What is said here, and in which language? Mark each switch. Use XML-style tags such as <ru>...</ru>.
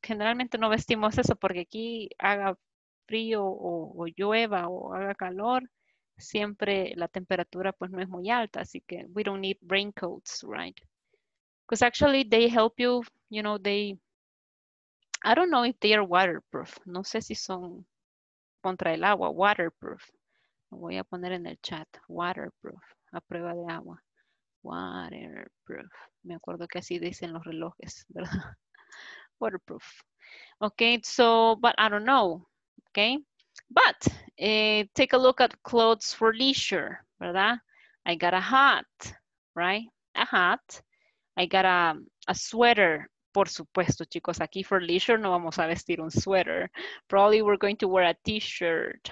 <es>Generalmente no vestimos eso porque aquí haga frío o llueva o haga calor. Siempre la temperatura pues no es muy alta. Así que</es> <en>we don't need raincoats, right? Because actually they help you, you know, they, I don't know if they are waterproof.</en> <es>No sé si son contra el agua, waterproof. Lo voy a poner en el chat, waterproof, a prueba de agua. Waterproof. Me acuerdo que así dicen los relojes, ¿verdad?</es> <en>Waterproof. Okay, so, but I don't know, okay? But, take a look at clothes for leisure,</en> <es>¿verdad?</es> <en>I got a hat, right? A hat. I got a sweater.</en> <es>Por supuesto, chicos, aquí</es> <en>for leisure</en> <es>no vamos a vestir un sweater.</es> <en>Probably we're going to wear a t-shirt.</en>